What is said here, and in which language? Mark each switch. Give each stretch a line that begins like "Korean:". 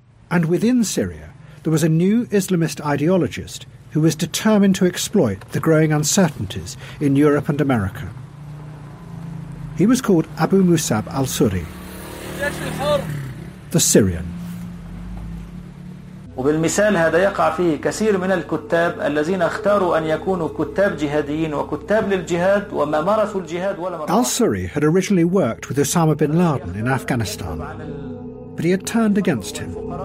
English: And within Syria, there was a new Islamist ideologist who was determined to exploit the growing uncertainties in Europe and America. He was called Abu Musab al-Suri, the Syrian.
Arabic: وبالمثال هذا يقع فيه كثير من الكتاب الذين اختاروا أن يكونوا كتاب جهاديين وكتاب للجهاد وما مارسوا الجهاد ولا مارسوا.
English: Al-Suri had originally worked with Osama bin Laden in Afghanistan, but he had turned against him.